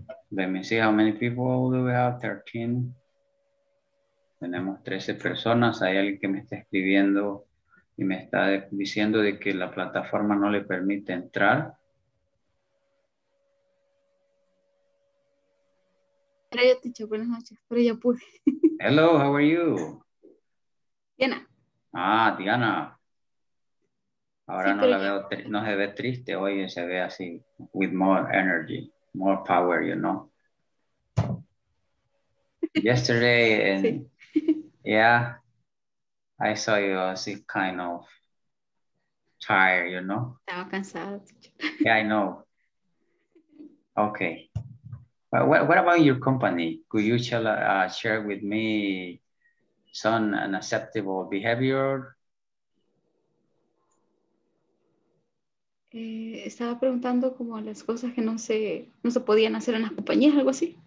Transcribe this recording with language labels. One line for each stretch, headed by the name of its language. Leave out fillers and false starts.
English: Let me see how many people do we have, 13.
Spanish: Tenemos 13 personas. Hay alguien que me está escribiendo y me está diciendo de que la plataforma no le permite entrar. Hola, teacher. Buenas noches. Pero ya pude.
English: Hello, how are you? Diana.
Spanish: Ah, Diana. Ahora sí, no la veo, no se ve triste. Hoy se ve así,
English: with more energy, more power, you know. Yesterday, and sí. Yeah. I saw you as kind of tired, you know?
Spanish: Estaba cansado.
English: Yeah, I know. Okay. But what about your company? Could you share with me some unacceptable behavior?
Spanish: Estaba preguntando como las cosas que no se podían hacer en las compañías, algo así.